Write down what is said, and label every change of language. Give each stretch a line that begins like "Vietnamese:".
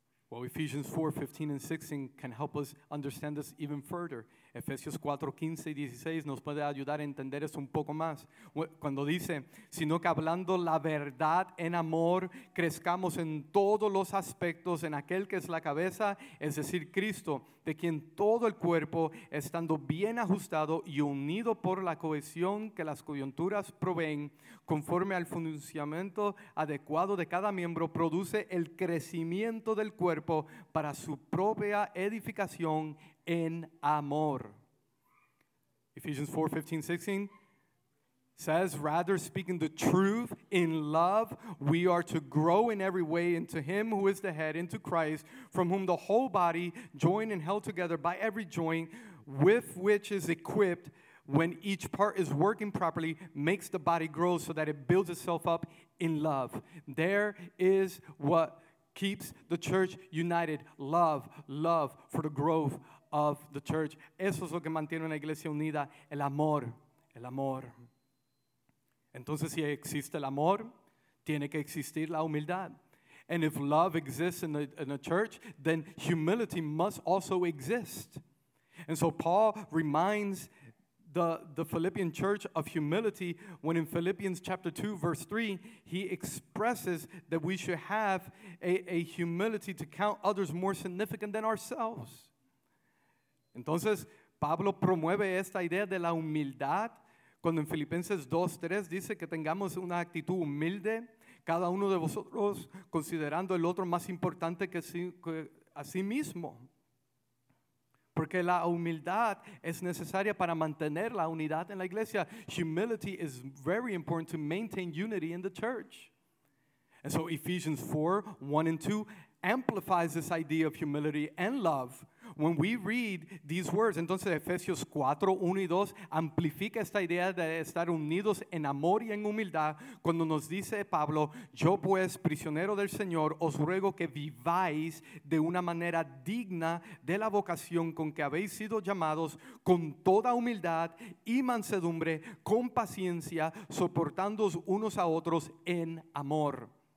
English: Well, Ephesians 4:15 and 16 can help us understand this even further.
Spanish: Efesios 4:15 y 16 nos puede ayudar a entender eso un poco más. Cuando dice, sino que hablando la verdad en amor, crezcamos en todos los aspectos en aquel que es la cabeza, es decir, Cristo, de quien todo el cuerpo, estando bien ajustado y unido por la cohesión que las coyunturas proveen, conforme al funcionamiento adecuado de cada miembro, produce el crecimiento del cuerpo para su propia edificación en amor.
English: Ephesians 4:15, 16 says, rather speaking the truth in love, we are to grow in every way into him who is the head, into Christ, from whom the whole body, joined and held together by every joint with which is equipped, when each part is working properly, makes the body grow so that it builds itself up in love. There is what keeps the church united: love, love for the growth of the church.
Spanish: Eso es lo que mantiene una iglesia unida, el amor, el amor. Entonces, si existe el amor, tiene que existir la humildad.
English: And if love exists in the church, then humility must also exist. And so Paul reminds the Philippian church of humility when in Philippians chapter 2 verse 3 he expresses that we should have a humility to count others more significant than ourselves.
Spanish: Entonces, Pablo promueve esta idea de la humildad cuando en Filipenses 2:3 dice que tengamos una actitud humilde, cada uno de vosotros considerando el otro más importante que a sí mismo. Porque la humildad es necesaria para mantener la unidad en la iglesia.
English: Humility is very important to maintain unity in the church. And so Ephesians 4:1-2 amplifies this idea of humility and love. When we read these words,
Spanish: entonces Efesios 4:1-2 amplifica esta idea de estar unidos en amor y en humildad cuando nos dice Pablo, yo pues, prisionero del Señor, os ruego que viváis de una manera digna de la vocación con que habéis sido llamados, con toda humildad y mansedumbre, con paciencia, soportándoos unos a otros en amor.